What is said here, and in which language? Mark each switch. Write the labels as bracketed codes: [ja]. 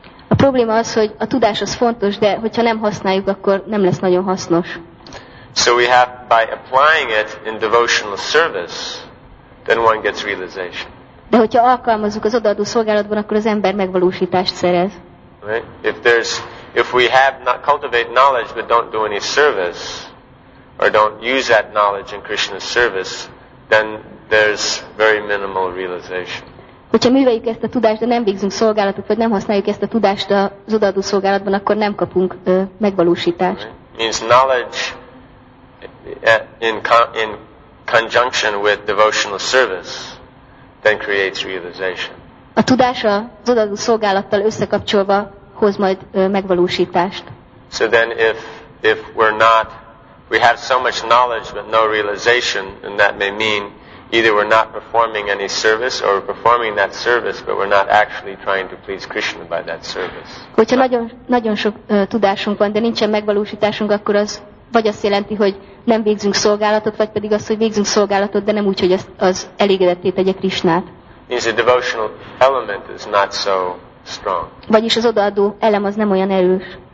[hu] A probléma az, hogy a tudás az fontos, de hogyha nem használjuk, akkor nem lesz nagyon hasznos. [en] So we have, by applying it in devotional service, then one gets realization. [hu] De hogyha alkalmazzuk az odaadó szolgálatban, akkor az ember megvalósítást szerez. [en] Right? If we have not cultivate knowledge, but don't do any service, or don't use that knowledge in Krishna's service, then there's very minimal realization. [hu] Hogyha műveljük ezt a tudást, de nem végzünk szolgálatot, vagy nem használjuk ezt a tudást az odaadó szolgálatban, akkor nem kapunk megvalósítást. [en] Means knowledge in conjunction with devotional service then creates realization. [hu] A tudás az odaadó szolgálattal összekapcsolva hoz majd megvalósítást. [en] So then if we're not, we have so much knowledge but no realization, then that may mean either we're not performing any service or we're performing that service but we're not actually trying to please Krishna by that service. [hu] Hogyha nagyon sok tudásunk van, de nincsen megvalósításunk, akkor az vagy azt jelenti, hogy nem végzünk szolgálatot, vagy pedig azt, hogy végzünk szolgálatot, de nem úgy, hogy az elégedetté tegye Krishnát. [en] Means the devotional element is not so strong. [hu] Vagyis az odaadó elem az nem olyan erős.